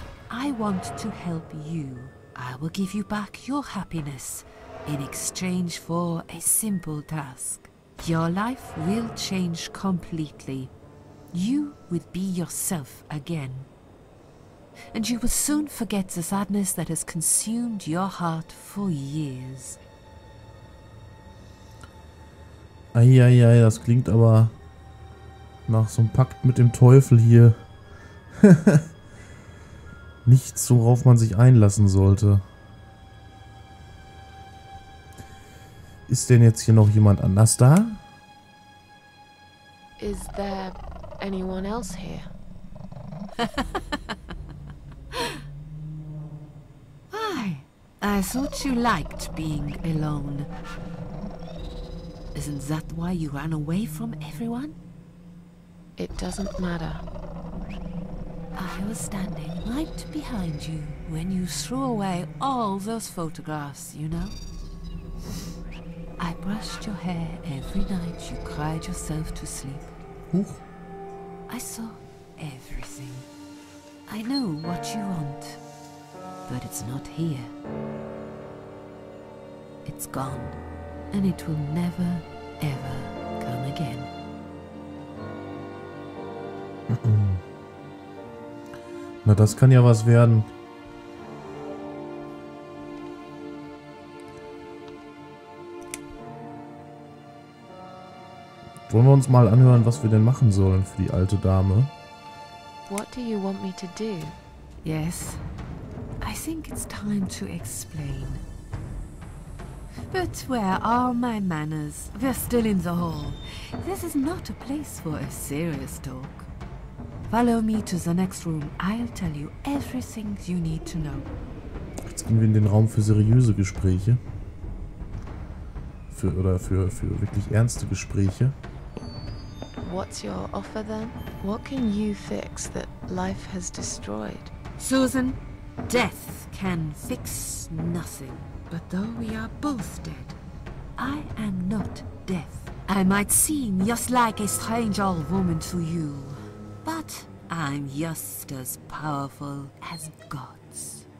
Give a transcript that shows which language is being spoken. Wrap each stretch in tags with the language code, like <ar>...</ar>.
<en>I want to help you. I will give you back your happiness in exchange for a simple task. Your life will change completely. You will be yourself again. And you will soon forget the sadness that has consumed your heart for years.</en> <de>Eieiei, das klingt aber nach so einem Pakt mit dem Teufel hier. Nichts, worauf man sich einlassen sollte. Ist denn jetzt hier noch jemand anders da?</de> <en>Is there anyone else here? Why? I thought you liked being alone. Isn't that why you ran away from everyone? It doesn't matter. I was standing right behind you when you threw away all those photographs, you know? I brushed your hair every night you cried yourself to sleep. Huch. I saw everything. I know what you want. But it's not here. It's gone. And it will never ever come again.</en> <de>Na, das kann ja was werden. Wollen wir uns mal anhören, was wir denn machen sollen für die alte Dame?</de> <en>What do you want me to do? Yes. I think it's time to explain. But where are my manners? We're still in the hall. This is not a place for a serious talk. Follow me to the next room. I'll tell you everything you need to know.</en> <de>Jetzt gehen wir in den Raum für seriöse Gespräche. Für wirklich ernste Gespräche.</de> <en>What's your offer then? What can you fix that life has destroyed? Susan, death can fix nothing. But though we are both dead, I am not death. I might seem just like a strange old woman to you, but I'm just as powerful as gods.</en>